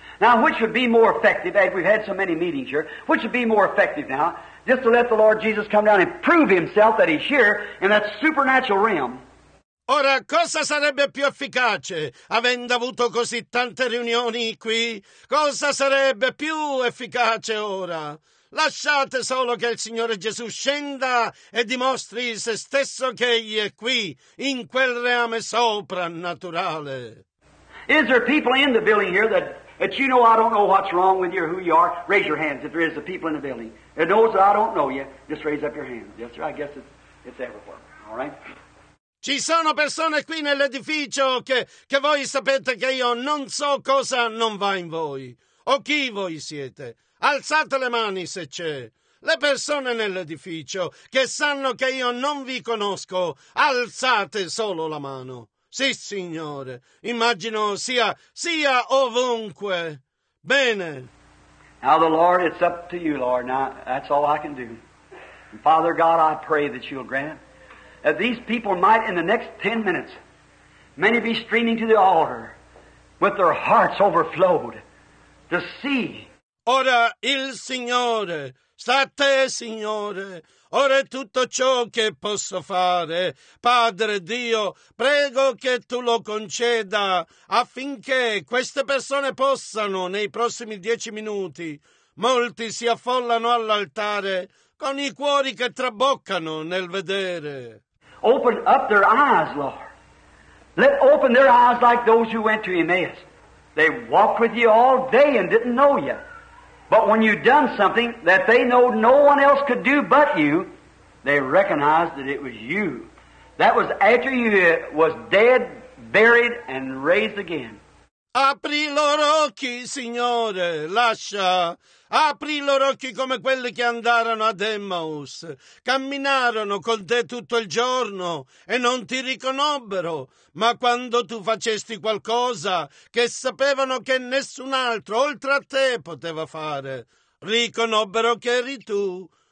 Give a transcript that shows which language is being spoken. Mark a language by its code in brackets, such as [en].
[en] Now, which would be more effective, as we've had so many meetings here, which would be more effective now, just to let the Lord Jesus come down and prove himself that he's here in that supernatural realm? [it] Ora, cosa sarebbe più efficace, avendo avuto così tante riunioni qui? Cosa sarebbe più efficace ora? Lasciate solo che il Signore Gesù scenda e dimostri se stesso che egli è qui, in quel reame soprannaturale. [en] Is there people in the building here that you know I don't know what's wrong with you or who you are? Raise your hands if there is a people in the building that knows that I don't know you. Just raise up your hands. Yes, sir, I guess it's everywhere. All right? [it] Ci sono persone qui nell'edificio che voi sapete che io non so cosa non va in voi o chi voi siete. Alzate le mani se c'è. Le persone nell'edificio che sanno che io non vi conosco, alzate solo la mano. Sì, Signore, immagino sia ovunque. Bene. [en] Now the Lord, it's up to you, Lord. Now that's all I can do. And Father God, I pray that you'll grant that these people might in the next 10 minutes many be streaming to the altar with their hearts overflowed to see. [it] Ora il Signore, sta a te, Signore, ora è tutto ciò che posso fare. Padre Dio, prego che tu lo conceda affinché queste persone possano, nei prossimi 10 minuti, molti si affollano all'altare con i cuori che traboccano nel vedere. [en] Open up their eyes, Lord. Let open their eyes like those who went to Emmaus. They walked with you all day and didn't know you. But when you've done something that they know no one else could do but you, they recognized that it was you. That was after you was dead, buried, and raised again. [it] Apri loro occhi, Signore, lascia. Apri loro occhi come quelli che andarono ad Emmaus. Camminarono con te tutto il giorno e non ti riconobbero. Ma quando tu facesti qualcosa che sapevano che nessun altro oltre a te poteva fare, riconobbero che eri tu.